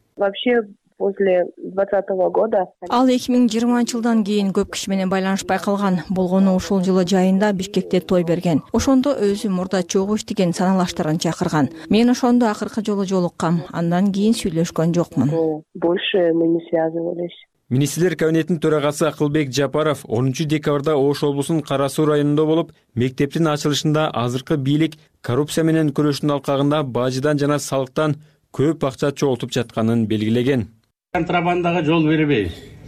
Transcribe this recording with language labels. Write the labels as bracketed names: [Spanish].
[Russian] Вообще после 2020 года. [Kyrgyz] Ал 2020 жылдан кийин көп киши менен байланышпай калган. Болгону ошол жылы жайында Бишкекте той берген. Ошондо өзү мурда чогуш деген саналаштарын чакырган. Мен ошондо акыркы жолу жолуккам. Андан кийин сүйлөшкөн жокмун. [Russian] Больше мы не связывались. [Kyrgyz] Министрлер кабинетинин төрагасы Акылбек Жапаров 10 декабрда Ош облусунун Карасуу районунда болуп, мектептин ачылышында азыркы бийлик коррупция менен күрөшүүнүн алкагында бажыдан жана салыктан көп акча чогултуп жатканын белгилеген. Контрабандага жол бербейбиз.